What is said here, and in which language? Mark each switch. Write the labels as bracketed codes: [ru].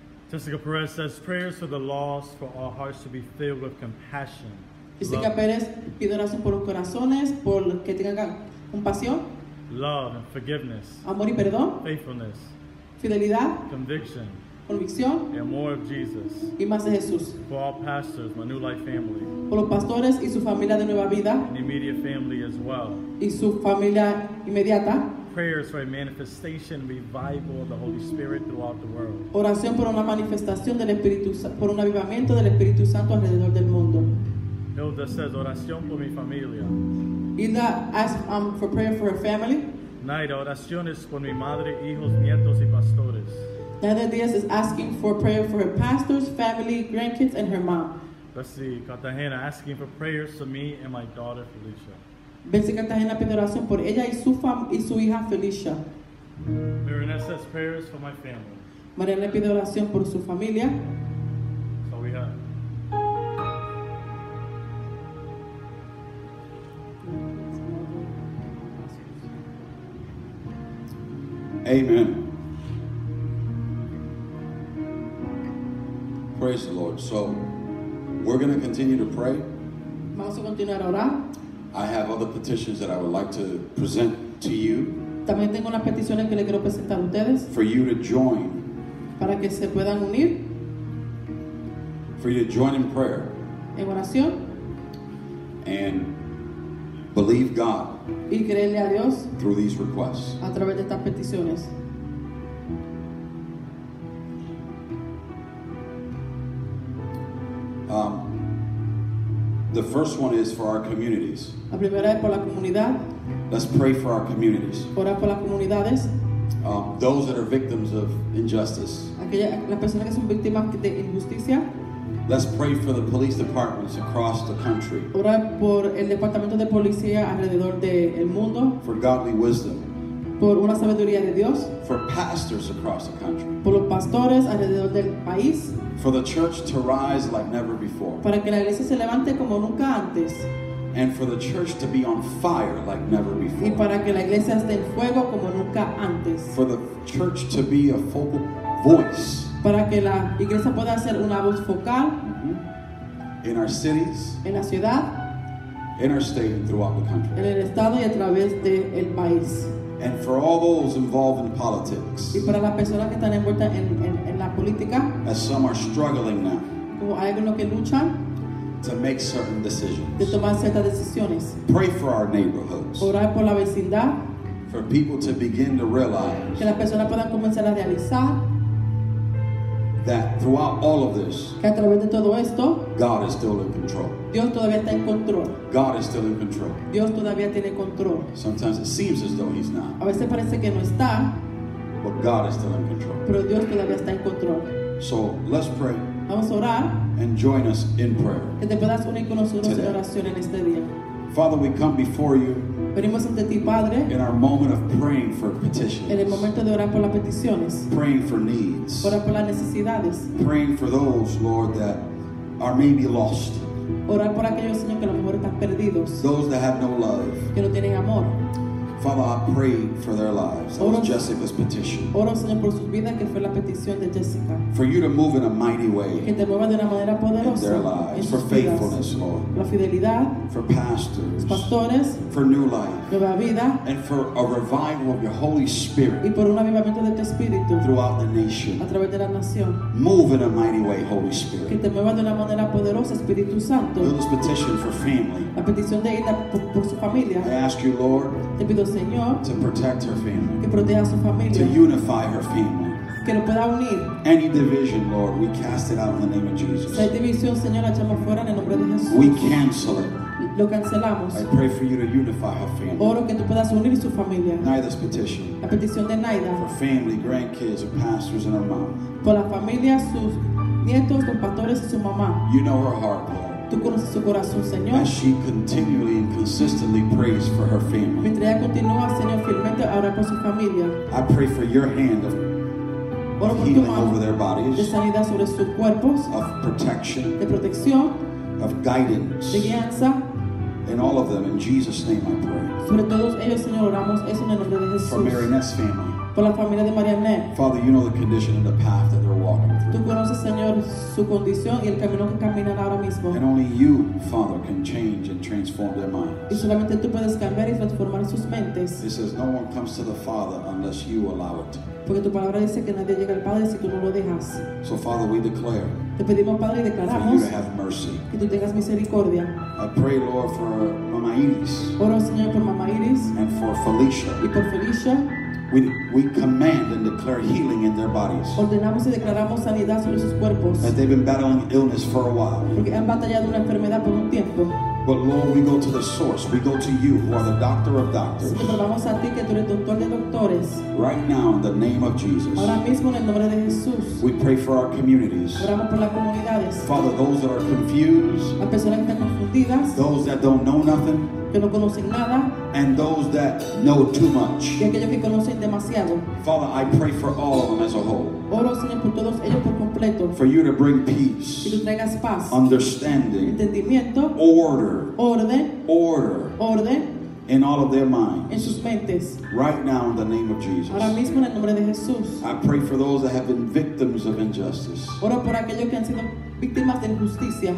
[en] Jessica Perez says, prayers for the lost, for our hearts to be filled with compassion. [es] Jessica Perez pide oración por los corazones, por que tengan compasión. [en] Love and forgiveness. [es] Amor y perdón. [en] Faithfulness. [es] Fidelidad. [en] Conviction. [es] Convicción. [en] And more of Jesus. [es] Y más de Jesús. [en] For all pastors, my New Life family. [es] Por los pastores y su familia de Nueva Vida. [en] And immediate family as well. [es] Y su familia inmediata. [en] Prayers for a manifestation revival of the Holy Spirit throughout the world. [es] Oración por una manifestación del Espíritu, por un avivamiento del Espíritu Santo alrededor del mundo. [en] Hilda says, [es] oración por mi familia. [en] Hilda asks for prayer for her family. [es] Naira, oraciones por mi madre, hijos, nietos y pastores. [en] Naira Diaz is asking for prayer for her pastors, family, grandkids, and her mom. Let's see, Cartagena asking for prayers for me and my daughter Felicia. [es] Betsy Cartagena pide oración por ella y su hija Felicia. [en] Marianne says prayers for my family. [es] Marianne pide oración por su familia. [en] So we have. Amen. Praise the Lord. So we're going to continue to pray. [es] Vamos a continuar a orar. [en] I have other petitions that I would like to present to you. [es] También tengo unas peticiones que le quiero presentar a ustedes. [en] For you to join. [es] Para que se puedan unir. [en] For you to join in prayer. [es] En oración. [en] And believe God. [es] Y creerle a Dios. [en] Through these requests. [es] A través de estas peticiones. [en] The first one is for our communities. [es] La primera es por la comunidad. [en] Let's pray for our communities. [es] Orar por las comunidades. [en] Those that are victims of injustice. [es] Aquellas, las personas que son víctimas de injusticia. [en] Let's pray for the police departments across the country. [es] Orar por el departamento de policía alrededor del mundo. [en] For godly wisdom. [es] Por una sabiduría de Dios. [en] For pastors across the country. [es] Por los pastores alrededor del país. [en] For the church to rise like never before. [es] Para que la iglesia se levante como nunca antes. [en] And for the church to be on fire like never before. [es] Y para que la iglesia esté en fuego como nunca antes. [en] For the church to be a focal voice. [es] Para que la iglesia pueda ser una voz focal. [en] In our cities. [es] En la ciudad. [en] In our state and throughout the country. [es] En el estado y a través de el país. [en] And for all those involved in politics. [es] Y para las personas que están envueltas en la política. [en] As some are struggling now. [es] Como hay algunos que luchan. [en] To make certain decisions. [es] De tomar ciertas decisiones. [en] Pray for our neighborhoods. [es] Orar por la vecindad. [en] For people to begin to realize. [es] Que las personas puedan comenzar a realizar. [en] That throughout all of this. [es] Que a través de todo esto. [en] God is still in control. [es] Dios todavía está en control. [en] God is still in control. [es] Dios todavía tiene control. [en] Sometimes it seems as though he's not. [es] A veces parece que no está. [en] But God is still in control. [es] Pero Dios todavía está en control. [en] So let's pray. [es] Vamos a orar. [en] And join us in prayer. [es] Que te puedas unir con nosotros today. En oración en este día. [en] Father, we come before you. [es] Venimos ante ti, Padre. [en] In our moment of praying for petitions. [es] En el momento de orar por las peticiones. [en] Praying for needs. [es] Orar por las necesidades. [en] Praying for those, Lord, that are maybe lost. [es] Orar por aquellos, Señor, que a lo mejor están perdidos. [en] Those that have no love. [es] Que no tienen amor. [en] Father, I pray for their lives. That [es] oro, [en] was Jessica's petition. [es] Oro, Señor, por su vida, que fue la petición de Jessica. [en] For you to move in a mighty way. [es] Que te mueva de una manera poderosa. [en] In their lives. For faithfulness, Lord. [es] La fidelidad. [en] For pastors. [es] Pastores. [en] For new life. [es] Nueva vida. [en] And for a revival of your Holy Spirit. [es] Y por un avivamiento de tu espíritu. [en] Throughout the nation. [es] A través de la nación. [en] Move in a mighty way, Holy Spirit. [es] Que te mueva de una manera poderosa, Espíritu Santo. [en] Build this petition for family. [es] La petición de ella por su familia. [en] I ask you, Lord. [es] Te pido, Señor, [en] to protect her family. [es] Que proteja su familia. [en] To unify her family. [es] Que lo pueda unir. [en] Any division, Lord, we cast it out in the name of Jesus. [es] Si hay división, Señor, la echamos fuera en el nombre de Jesús. [en] We cancel it. [es] Lo cancelamos. [en] I pray for you to unify her family. [es] Oro que tú puedas unir su familia. [en] Naida's petition. [es] La petición de Naida. [en] For family, grandkids, her pastors, and her mom. [es] Por la familia, sus nietos, los pastores y su mamá. [en] You know her heart, Lord. [es] Tú conoces su corazón, Señor. [en] As she continually and consistently prays for her family. [es] Mientras ella continúa, Señor, firmemente a orar por su familia. [en] I pray for your hand of healing over their bodies. [es] De sanidad sobre sus cuerpos. [en] Of protection. [es] De protección. [en] Of guidance. [es] De guianza. [en] And all of them, in Jesus' name, I pray. [es] Sobre todos ellos, Señor, oramos eso en el nombre de Jesús. [en] For Marinette's family. [es] Por la familia de Marinette. [en] Father, you know the condition and the path that they're walking. [es] Tú conoces, Señor, su condición y el camino que caminan ahora mismo. [en] And only you, Father, can change and transform their minds. [es] Y solamente tú puedes cambiar y transformar sus mentes. [en] It says, no one comes to the Father unless you allow it. [es] Porque tu palabra dice que nadie llega al Padre si tú no lo dejas. [en] So, Father, we declare. [es] Te pedimos, Padre, y declaramos. [en] For you to have mercy. [es] Que tú tengas misericordia. [en] I pray, Lord, for Mama Iris. [es] Oro, Señor, por Mama Iris. [en] And for Felicia. [es] Y por Felicia. [en] We command and declare healing in their bodies. [es] Ordenamos y declaramos sanidad sobre sus cuerpos. [en] That they've been battling illness for a while. [es] Porque han batallado una enfermedad por un tiempo. [en] But Lord, we go to the source. We go to you, who are the doctor of doctors. [es] Sí, pero vamos a ti, que tú eres doctor de doctores. [en] Right now, in the name of Jesus. [es] Ahora mismo, en el nombre de Jesús. [en] We pray for our communities. [es] Oramos por las comunidades. [en] Father, those that are confused. [es] Las personas que están confundidas. [en] Those that don't know nothing. [es] Que no conocen nada. [en] And those that know too much. [es] Y aquellos que conocen demasiado. [en] Father, I pray for all of them as a whole. [es] Oro, Señor, por todos ellos por completo. [en] For you to bring peace. [es] Y tú traigas paz. [en] Understanding. [es] Entendimiento. [en] Order. [es] Orden. [en] Order. [es] Orden. [en] In all of their minds. [es] En sus mentes. [en] Right now, in the name of Jesus. [es] Ahora mismo, en el nombre de Jesús. [en] I pray for those that have been victims of injustice. [es] Oro por aquellos que han sido víctimas de injusticia.